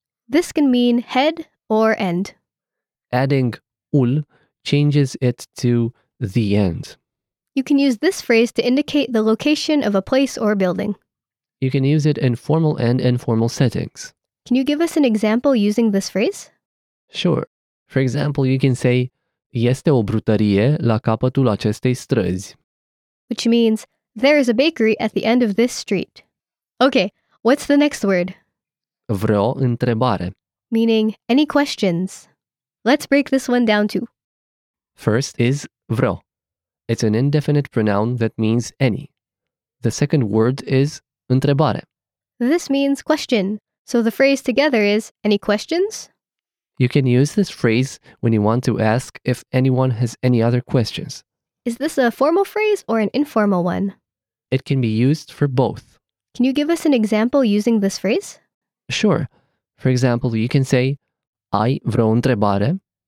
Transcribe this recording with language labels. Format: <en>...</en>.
<en>This can mean head or end. Adding ul changes it to the end. You can use this phrase to indicate the location of a place or building. You can use it in formal and informal settings. Can you give us an example using this phrase? Sure. For example, you can say,</en> <ro>este o brutărie la capătul acestei străzi.</ro> <en>Which means, there is a bakery at the end of this street. Okay, what's the next word?</en> <ro>Vreo întrebare.</ro> <en>Meaning, any questions. Let's break this one down too. First is vreo. It's an indefinite pronoun that means any. The second word is întrebare. This means question. So the phrase together is, any questions? You can use this phrase when you want to ask if anyone has any other questions. Is this a formal phrase or an informal one? It can be used for both. Can you give us an example using this phrase? Sure. For example, you can say,</en> <ro>ai vreo întrebare?</ro>